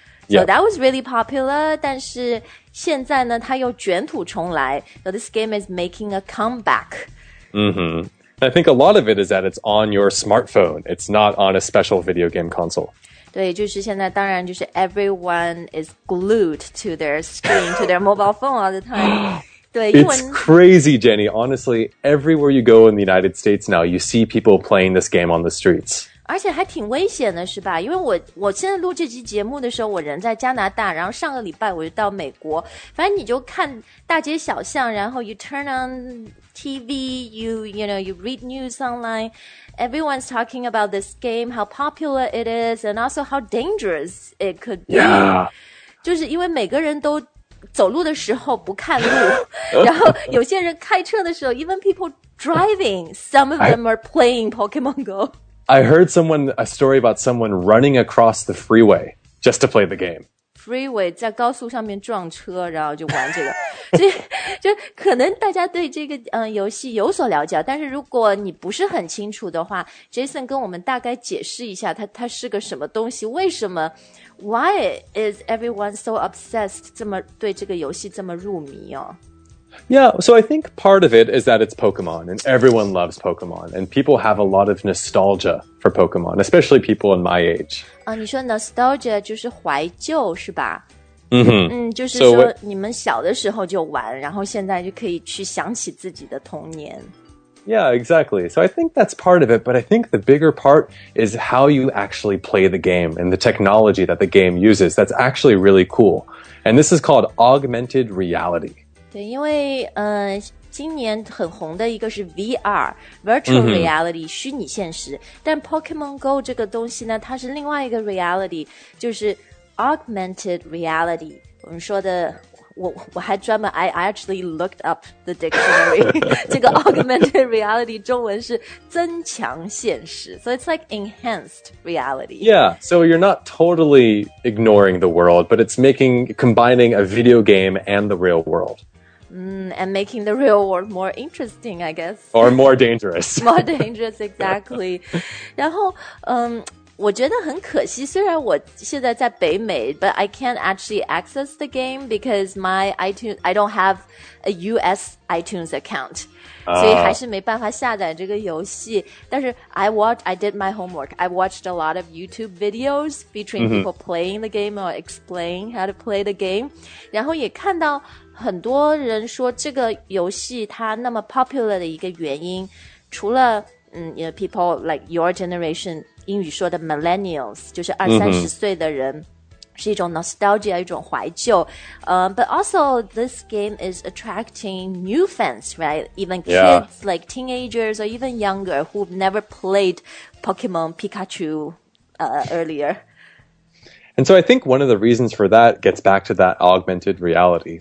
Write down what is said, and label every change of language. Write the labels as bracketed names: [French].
[English] So that was really popular, [Chinese] 但是现在呢它又卷土重来。 [English] So this game is making a comeback. I think a lot of it is that it's on your smartphone. It's not on a special video game console. [Chinese] 对，就是现在当然就是 [English] everyone is glued to their screen, to their mobile phone all the time. It's crazy, Jenny. Honestly, everywhere you go in the United States now, you see people playing this game on the streets. [Chinese] 而且还挺危险的是吧？因为我现在录这期节目的时候，我人在加拿大，然后上个礼拜我就到美国。反正你就看大街小巷，然后 [English] you turn on TV, you read news online. Everyone's talking about this game, how popular it is, and also how dangerous it could be. Yeah. [Chinese] 就是因为每个人都走路的时候不看路，然后有些人开车的时候 [English] even people driving, some of them are playing Pokemon Go. I heard a story about someone running across the freeway just to play the game. [Chinese] Freeway 在高速上面撞车然后就玩这个。就可能大家对这个游戏有所了解，但是如果你不是很清楚的话， Jason 跟我们大概解释一下它是个什么东西，为什么 [English] Why is everyone so obsessed, [Chinese] 这么对这个游戏这么入迷哦？ [English] Yeah, so I think part of it is that it's Pokemon, and everyone loves Pokemon, and people have a lot of nostalgia for Pokemon, especially people in my age. [Chinese] 你说 nostalgia 就是怀旧是吧？就是说你们小的时候就玩，然后现在就可以去想起自己的童年。 [English] Yeah, exactly. So I think that's part of it, but I think the bigger part is how you actually play the game and the technology that the game uses. That's actually really cool. And this is called augmented reality. [Chinese] 对，因为今年很红的一个是 VR, virtual reality, 虚拟现实。但 Pokemon Go 这个东西呢，它是另外一个 reality, 就是 augmented reality, 我们说的我还专门 [English] I actually looked up the dictionary 这个 augmented reality [Chinese] 中文是增强现实 [English] So it's like enhanced reality Yeah, so you're not totally ignoring the world But it's making, combining a video game and the real world And making the real world more interesting, I guess. Or more dangerous. more dangerous, exactly. [Chinese] 然后、我觉得很可惜虽然我现在在北美 [English] but I can't actually access the game because my iTunes, I don't have a US iTunes account. [Chinese] 所以还是没办法下载这个游戏。但是 [English] I did my homework. I watched a lot of YouTube videos featuring people playing the game or explaining how to play the game. [Chinese] 然后也看到很多人说这个游戏它那么 popular 的一个原因，除了 [English] you know, people like your generation, [Chinese] 英语说的 millennials, 就是二三十岁的人。是一种 [English] nostalgia, [Chinese] 一种怀旧、 [English] But also, this game is attracting new fans, right? Even kids,、 yeah. like teenagers, or even younger, who've never played Pokemon Pikachu、earlier. And so I think one of the reasons for that gets back to that augmented reality.